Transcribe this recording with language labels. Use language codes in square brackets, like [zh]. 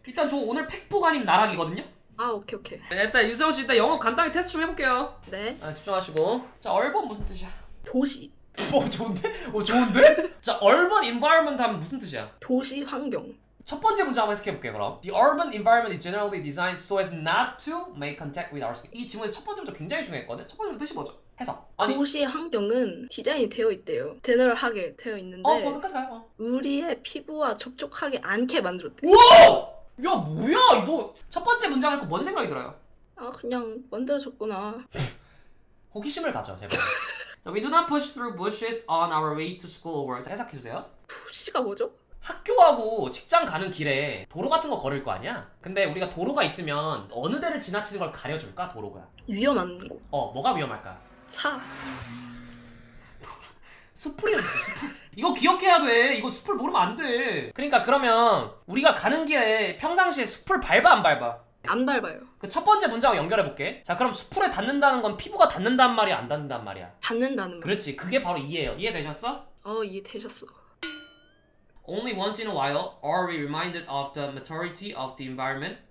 [ko] 일단 저 오늘 팩폭 아님 나락이거든요? 아, 오케이, 오케이. 일단 유수정씨, 일단 영어 간단히 테스트 좀 해볼게요. 네. 집중하시고. 자, 얼번 무슨 뜻이야? 도시. 좋은데? 좋은데? 자, 얼번 인바이런먼트 하면 무슨 뜻이야? 도시 환경. 첫 번째 문제 한번 해석해볼게요, 그럼. [en] The urban environment is generally designed so as not to make contact with our skin. [ko] 이 질문에서 첫 번째 문제 굉장히 중요했거든? 첫 번째 문제 뜻이 뭐죠? 해석. 아니. 도시의 환경은 디자인이 되어 있대요. 제너럴하게 되어 저 있는데 끝까지 가요. 우리의 피부와 접촉하지 않게 만들었대요. 우와! 야, 뭐야, 이거. 첫 번째 문장 읽고 뭔 생각이 들어요? 아, 그냥 만들어졌구나. 호기심을 가져, 제발. [en] So we do not push through bushes on our way to school or work. [ko] 해석해주세요. 부시가 뭐죠? 학교하고 직장 가는 길에 도로 같은 거 걸을 거 아니야? 근데 우리가 도로가 있으면 어느 데를 지나치는 걸 가려줄까? 도로가. 위험한 곳. 뭐가 위험할까? 차. 숲을 이름 숲을. 이거 기억해야 돼. 이거 숲을 모르면 안 돼. 그러니까 그러면 우리가 가는 길에 평상시에 숲을 밟아, 안 밟아? 안 밟아요. 그첫 번째 문장을 연결해볼게. 자, 그럼 숲에 닿는다는 건 피부가 닿는단 말이야, 안 닿는단 말이야? 닿는다는 말. 그렇지. 그게 바로 이해예요. 이해되셨어? 이해되셨어. [en] Only once in a while are we reminded of the maturity of the environment.